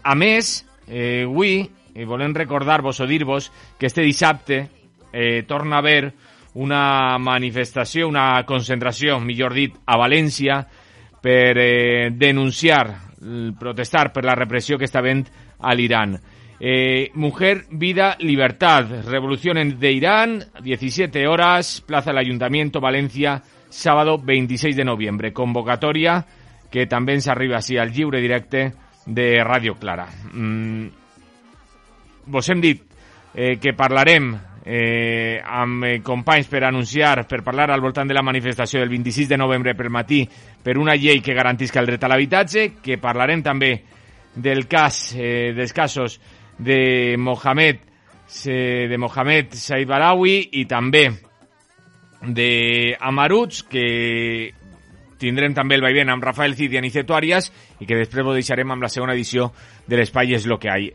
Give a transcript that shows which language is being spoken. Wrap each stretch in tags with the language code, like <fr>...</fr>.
<ca>A més, avui volem recordar-vos o dir-vos que este dissabte torna a haver una manifestació, una concentració, millor dit, a València per denunciar, protestar per la repressió que està havent a l'Iran.</ca> <es>Mujer, vida, libertad, revolución de Irán, 17 horas, plaza del Ayuntamiento, Valencia, sábado 26 de noviembre. Convocatoria que también se arriba así al Lliure Directe de Radio Clara.</es> <ca>Vos hem dit que parlarem amb companys per anunciar, per parlar al voltant de la manifestació del 26 de novembre pel matí per una llei que garantisca el dret a l'habitatge, que parlarem també del cas, dels casos de Mohamed Said Badawi i també de Amaruts, que tindrem també el vaivén amb Rafael Cid i Aniceto Arias, i que després ho deixarem amb la segona edició de l'Espai és lo que hay.</ca>